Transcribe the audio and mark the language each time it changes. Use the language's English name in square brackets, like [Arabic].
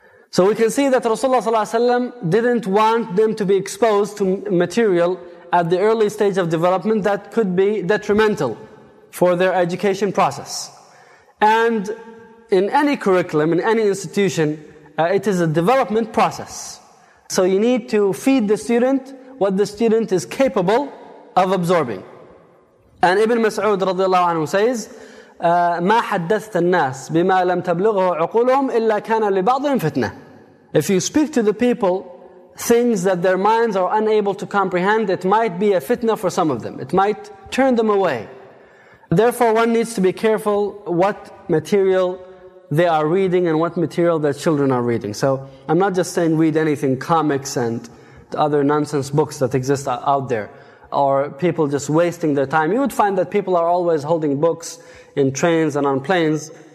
[English] So we can see that Rasulullah ﷺ didn't want them to be exposed to material at the early stage of development that could be detrimental for their education process. And in any curriculum, in any institution, it is a development process. So you need to feed the student what the student is capable of absorbing. And Ibn Mas'ud radiallahu anhu says, [Arabic] مَا حَدَّثْتَ النَّاسِ بِمَا لَمْ تَبْلُغَهُ عُقُولُهُمْ إِلَّا كَانَ لِبَعْضٍ فِتْنَةٍ. [English] If you speak to the people things that their minds are unable to comprehend, it might be a fitna for some of them. It might turn them away. Therefore, one needs to be careful what material they are reading and what material their children are reading. So I'm not just saying read anything, comics and other nonsense books that exist out there, or people just wasting their time. You would find that people are always holding books in trains and on planes.